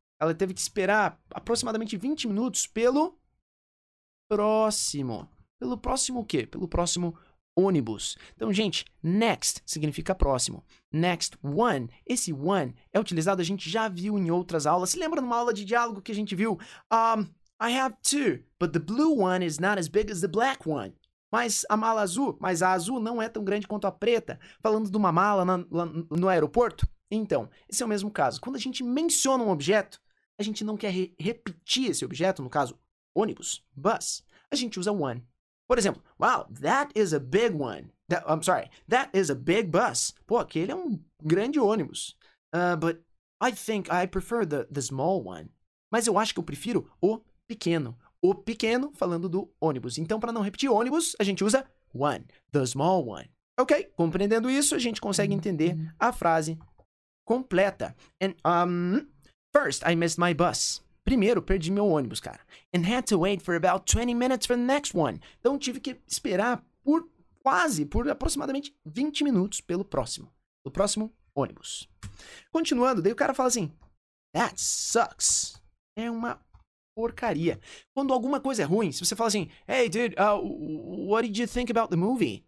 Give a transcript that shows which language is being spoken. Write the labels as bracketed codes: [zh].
[pt] Ela teve que esperar aproximadamente 20 minutos pelo próximo. Pelo próximo o quê? Pelo próximo ônibus. Então, gente, next significa próximo. [en] Next one. [pt] Esse one é utilizado, a gente já viu em outras aulas. Se lembra numa aula de diálogo que a gente viu? [en] I have two, but the blue one is not as big as the black one. [pt] Mas a azul não é tão grande quanto a preta. Falando de uma mala no aeroporto. Então, esse é o mesmo caso. Quando a gente menciona um objeto, a gente não quer repetir esse objeto, no caso, ônibus, bus. A gente usa one. Por exemplo, [en] wow, that is a big one. That is a big bus. [pt] Pô, aquele é um grande ônibus. [en] But I think I prefer the small one. [pt] Mas eu acho que eu prefiro o pequeno. O pequeno, falando do ônibus. Então, para não repetir ônibus, a gente usa one, [en] the small one. [pt] Ok? Compreendendo isso, a gente consegue entender a frase completa. [en] And, first, I missed my bus. [pt] Primeiro, perdi meu ônibus, cara. [en] And had to wait for about 20 minutes for the next one. [pt] Então, tive que esperar por aproximadamente 20 minutos pelo próximo. Do próximo ônibus. Continuando, daí o cara fala assim, [en] that sucks. [pt] É uma Porcaria. Quando alguma coisa é ruim, se você fala assim, [en] hey dude, what did you think about the movie?